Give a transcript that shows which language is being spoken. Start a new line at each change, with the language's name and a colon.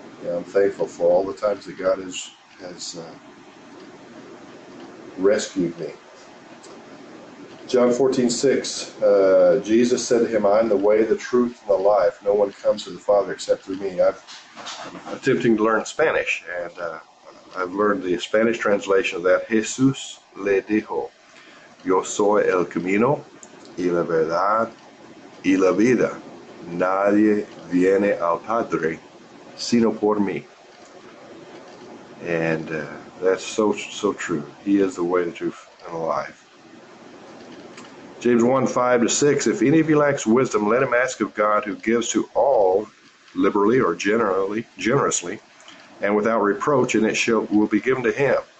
English: I'm thankful for all the times that God has rescued me. John 14:6, Jesus said to him, "I am the way, the truth, and the life. No one comes to the Father except through me." I'm attempting to learn Spanish, and I've learned the Spanish translation of that.
Spanish: Jesús le dijo, "Yo soy el camino y la verdad y la vida. Nadie viene al Padre sino por mí."
English: And that's so true. He is the way, the truth, and the life. James 1:5-6, "If any of you lacks wisdom, let him ask of God, who gives to all liberally," or generously, "and without reproach, and it will be given to him.